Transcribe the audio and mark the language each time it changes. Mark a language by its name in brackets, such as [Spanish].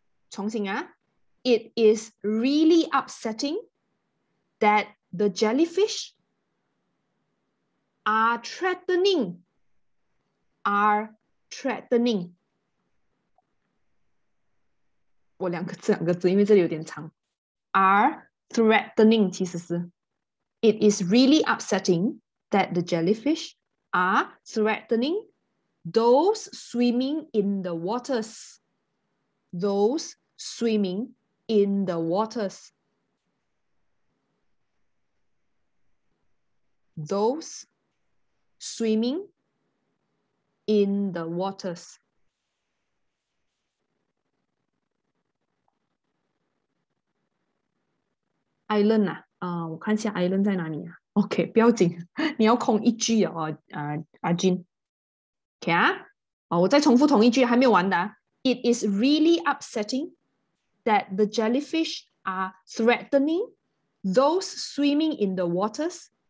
[Chinese] 重新啊 [English] ，It is really upsetting that the jellyfish are threatening. [Chinese] 我两个字两个字，因为这里有点长。 [English] Are threatening [Chinese] 其实是 [English] ，It is really upsetting that the jellyfish are threatening those swimming in the waters. Those swimming in the waters. Those swimming in the waters. [Chinese] Island 啊、我看一下 Island 在哪里啊。 OK, 不要紧，你要空一句哦，阿君。 OK 啊、我再重复同一句，还没有完的、啊。 [English] It is really upsetting that the jellyfish are threatening those swimming in the waters.